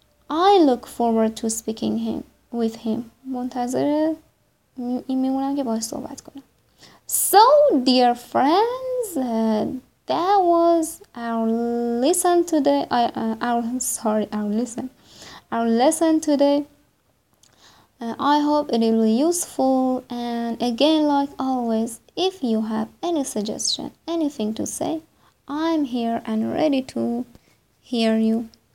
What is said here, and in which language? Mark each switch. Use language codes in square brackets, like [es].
[en] I look forward to speaking him with him. [fa] منتظر این میمونم که باهاش صحبت کنم. [en] So dear friends, that was our lesson today. Our lesson today. I hope it will be useful. And again, like always, if you have any suggestion, anything to say, I'm here and ready to hear you.